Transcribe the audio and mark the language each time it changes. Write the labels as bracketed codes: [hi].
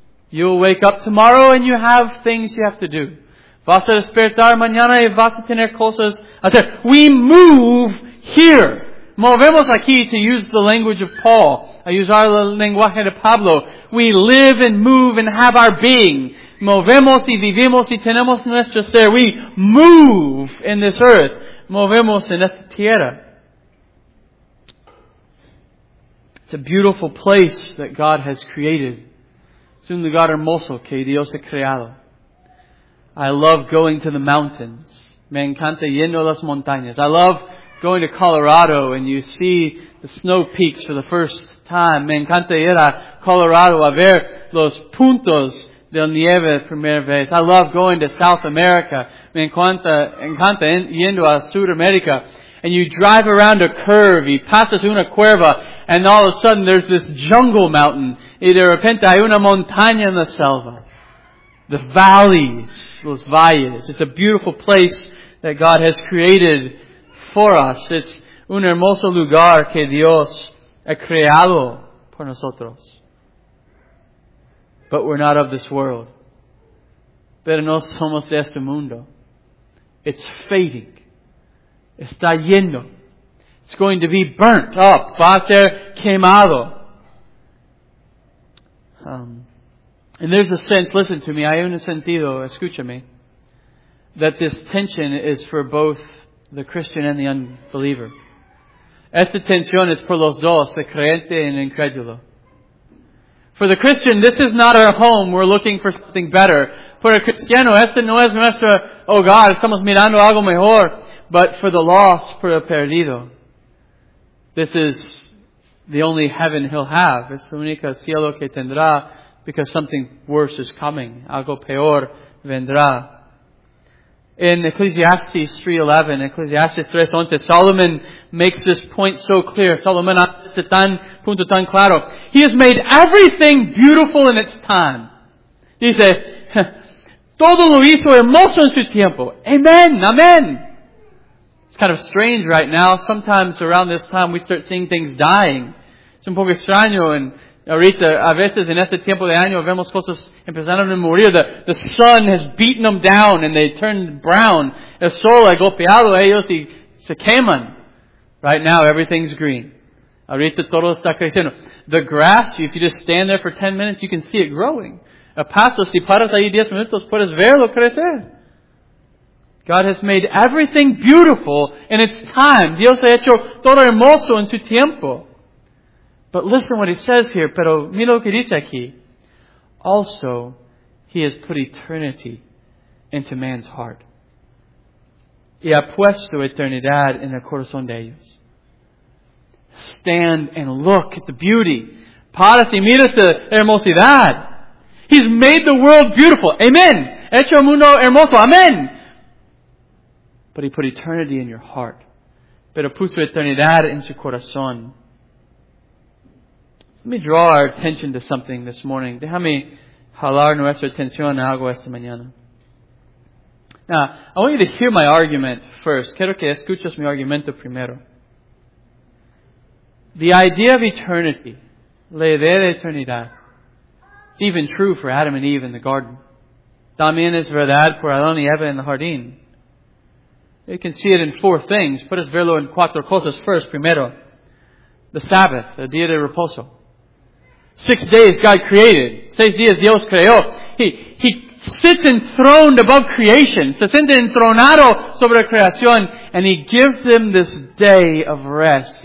[en] You'll wake up tomorrow and you have things you have to do. [es] Vas a despertar mañana y vas a tener cosas. [en] I said, we move here. [es] Movemos aquí, [en] to use the language of Paul. [es] A usar el lenguaje de Pablo. [en] We live and move and have our being. [es] Movemos y vivimos y tenemos nuestro ser. [en] We move in this earth. [es] Movemos en esta tierra. [en] It's a beautiful place that God has created. [es] Es un lugar hermoso que Dios ha creado. [en] I love going to the mountains. [es] Me encanta yendo a las montañas. [en] I love going to Colorado and you see the snow peaks for the first time. [es] Me encanta ir a Colorado a ver los puntos del nieve primera vez. [en] I love going to South America. [es] Me encanta yendo a Sudamérica. [en] And you drive around a curve, [es] y pasas una cuerva, [en] and all of a sudden there's this jungle mountain. [es] Y de repente hay una montaña en la selva. [en] The valleys, [es] los valles. [en] It's a beautiful place that God has created for us. [es] It's un hermoso lugar que Dios ha creado por nosotros. [en] But we're not of this world. [es] Pero no somos de este mundo. [en] It's fading. [es] Está yendo. [en] It's going to be burnt up. [es] Va a ser quemado. [en] And there's a sense, listen to me, [es] hay un sentido, escúchame, [en] that this tension is for both the Christian and the unbeliever. [es] Esta tensión es por los dos, el creyente y el incrédulo. [en] For the Christian, this is not our home. We're looking for something better. [es] Por el cristiano, este no es nuestro hogar. Estamos mirando algo mejor. [en] But for the lost, for [es] el perdido, [en] this is the only heaven he'll have. [es] Es el único cielo que tendrá, [en] because something worse is coming. [es] Algo peor vendrá. [en] In Ecclesiastes 3:11, Solomon makes this point so clear. [es] Solomon hace tan punto tan claro. [en] He has made everything beautiful in its time. [es] Dice, todo lo hizo hermoso en su tiempo. Amen, amen. [en] It's kind of strange right now. Sometimes around this time we start seeing things dying. [es] Es un poco extraño. And ahorita, a veces en este tiempo de año vemos cosas empezando a morir. [en] The sun has beaten them down and they turned brown. [es] El sol ha golpeado ellos y se queman. [en] Right now everything's green. [es] Ahorita todo está creciendo. [en] The grass, if you just stand there for 10 minutes, you can see it growing. [es] A paso, si paras ahí 10 minutos, puedes verlo crecer. [en] God has made everything beautiful in its time. [es] Dios ha hecho todo hermoso en su tiempo. [en] But listen what it says here. [es] Pero mira lo que dice aquí. [en] Also, he has put eternity into man's heart. [es] Y ha puesto eternidad en el corazón de ellos. [en] Stand and look at the beauty. [es] Párate y mira esta hermosidad. [en] He's made the world beautiful. Amen. [es] Hecho mundo hermoso. [en] Amen. But he put eternity in your heart. [es] Pero puso eternidad en su corazón. [en] Let me draw our attention to something this morning. [es] Déjame jalar nuestra atención a algo esta mañana. [en] Now, I want you to hear my argument first. [es] Quiero que escuches mi argumento primero. [en] The idea of eternity, [es] la idea de eternidad, [en] it's even true for Adam and Eve in the garden. [es] También es verdad por Adán y Eva en el jardín. [en] You can see it in four things. [es] Puedes verlo en cuatro cosas. First, primero, [en] the Sabbath, [es] el día de reposo. [en] 6 days God created. [es] 6 días Dios creó. [en] He sits enthroned above creation. [es] Se siente entronado sobre creación. [en] And he gives them this day of rest.